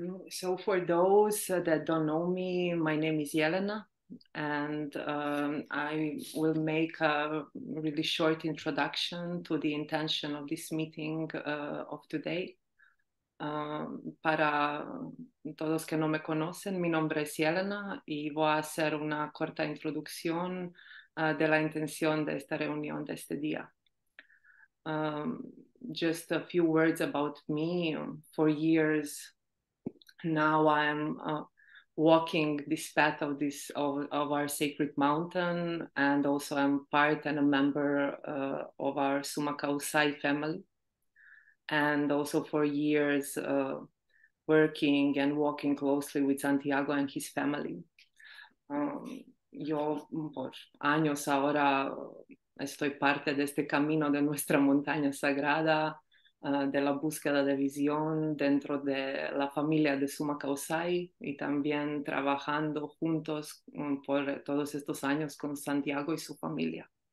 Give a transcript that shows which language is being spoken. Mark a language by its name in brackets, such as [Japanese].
[English] So for those that don't know me, my name is Yelena, and I will make a really short introduction to the intention of this meeting of today. [Spanish] Para todos que no me conocen, mi nombre es Yelena y voy a hacer una corta introducción de la intención de esta reunión de este día. [English] Just a few words about me. For years now I am walking this path of this of our sacred mountain, and also I'm part and a member of our Sumak Kawsay family, and also for years working and walking closely with Santiago and his family. [Spanish] Yo por años ahora estoy parte de este camino de nuestra montaña sagrada, de la búsqueda de visión dentro de la familia de Sumak Kawsay, y también trabajando juntos por todos estos años con Santiago y su familia.